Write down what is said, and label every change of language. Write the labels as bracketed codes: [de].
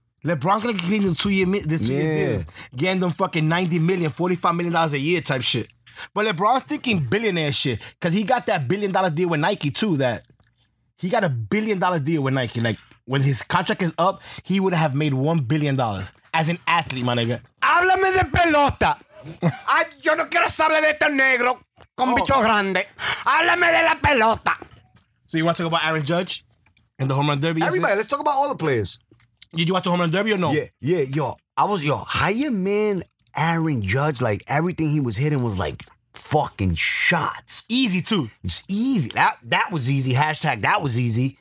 [en] LeBron's going to give him two year deals. Getting them fucking $90 million, $45 million a year type shit. But LeBron's thinking billionaire shit because he got that $1 billion deal with Nike too. That he got a $1 billion deal with Nike. Like, when his contract is up, he would have made $1 billion as an athlete, my nigga. [es] Háblame de pelota. Yo no quiero saber de este negro con bicho grande. Háblame de la pelota. [en] So you want to talk about Aaron Judge and the home run derby? Everybody, let's talk about all the players. Did you watch the home run derby or no? Yeah, yo. How your man Aaron Judge, like, everything he was hitting was like fucking shots. Easy too. It's easy. That was easy. Hashtag that was easy.